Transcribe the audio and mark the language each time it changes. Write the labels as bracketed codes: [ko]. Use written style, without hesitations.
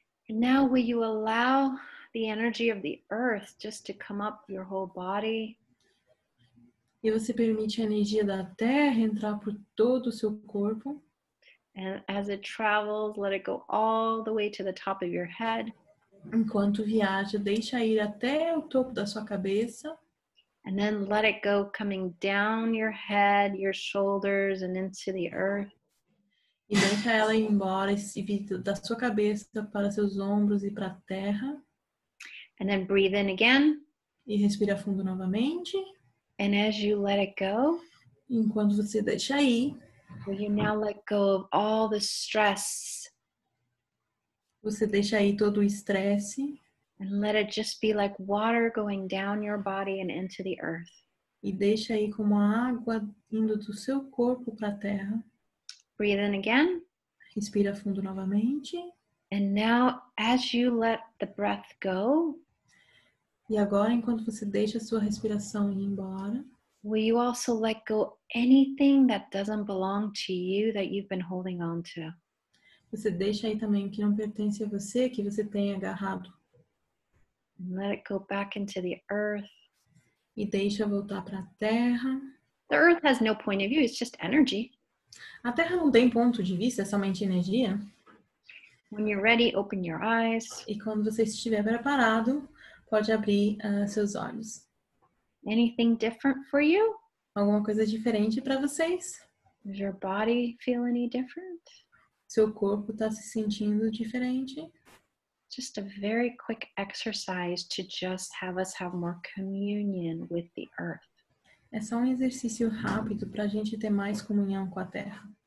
[en] And now, will you allow the energy of the earth just to come up your whole body? [pt] E você permite a energia da terra entrar por todo o seu corpo? [en] And as it travels, let it go all the way to the top of your head. [pt] Enquanto viaja, deixa ir até o topo da sua cabeça. [en] And then let it go coming down your head, your shoulders, and into the earth. [pt] E deixa ela ir embora e vir da sua cabeça para seus ombros e para a terra. [en] And then breathe in again. [pt] E respira fundo novamente. [en] And as you let it go, [pt] enquanto você deixa ir, [en] will you now let go of all the stress? [pt] Você deixa aí todo o estresse. [en] And let it just be like water going down your body and into the earth. [pt] E deixa aí como a água indo do seu corpo para a terra. [en] Breathe in again. [pt] Respira fundo novamente. [en] And now, as you let the breath go, [pt] e agora enquanto você deixa a sua respiração ir embora, [en] will you also let go anything that doesn't belong to you that you've been holding on to? [pt] Você deixa aí também que não pertence a você, que você tem agarrado. [en] Let it go back into the earth. [pt] E deixa voltar para a terra. [en] The earth has no point of view, it's just energy. [pt] A terra não tem ponto de vista, é somente energia. [en] When you're ready, open your eyes. [pt] E quando você estiver preparado, pode abrir seus olhos. [en] Anything different for you? [pt] Alguma coisa diferente para vocês? [en] Does your body feel any different? [pt] Seu corpo está se sentindo diferente? [en] Just a very quick exercise to just have us have more communion with the earth. [pt] É só um exercício rápido para a gente ter mais comunhão com a terra.